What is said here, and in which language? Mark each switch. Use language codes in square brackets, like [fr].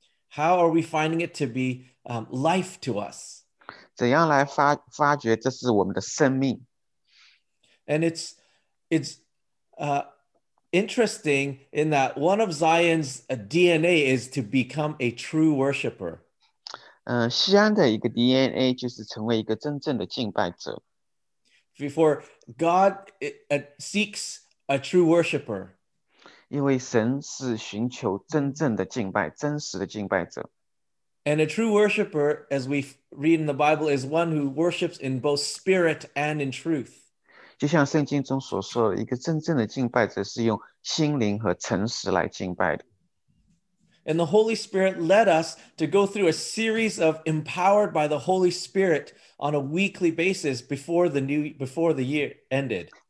[en] How are we finding it to be life to us? [zh] 怎样来发掘这是我们的生命？ [en] And it's interesting in that one of Zion's DNA is to become a true worshiper. [zh] 西安的一个DNA就是成为一个真正的敬拜者。 [en] Before God seeks a true worshiper. [zh] 因为神是寻求真正的敬拜，真实的敬拜者。 [en] And a true worshiper, as we read in the Bible, is one who worships in both spirit and in truth. [zh] 就像圣经中所说的，一个真正的敬拜者是用心灵和诚实来敬拜的。 [en] And the Holy Spirit led us to go through a series of empowered by the Holy Spirit on a weekly basis before the year ended.